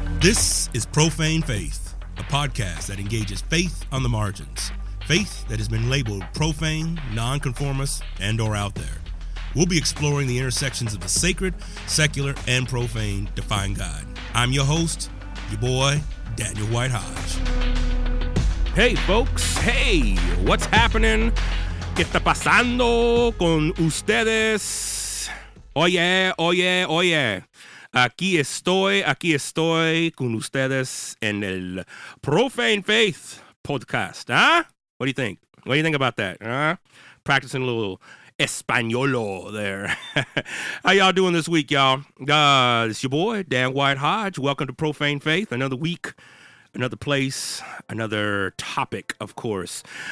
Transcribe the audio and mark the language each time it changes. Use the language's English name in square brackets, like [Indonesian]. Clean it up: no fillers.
[English] This is Profane Faith, a podcast that engages faith on the margins. Faith that has been labeled profane, nonconformist, and or out there. We'll be exploring the intersections of the sacred, secular, and profane, defying God. I'm your host, your boy, Daniel White Hodge. Hey, folks. Hey, what's happening? [Spanish] ¿Qué está pasando con ustedes? Oye, oye, oye. Aquí estoy con ustedes en el Profane Faith podcast, ¿ah? [English] Huh? What do you think? What do you think about that? Practicing a little Españolo there. How y'all doing this week, y'all? It's your boy, Dan White Hodge. Welcome to Profane Faith. Another week, another place, another topic, of course.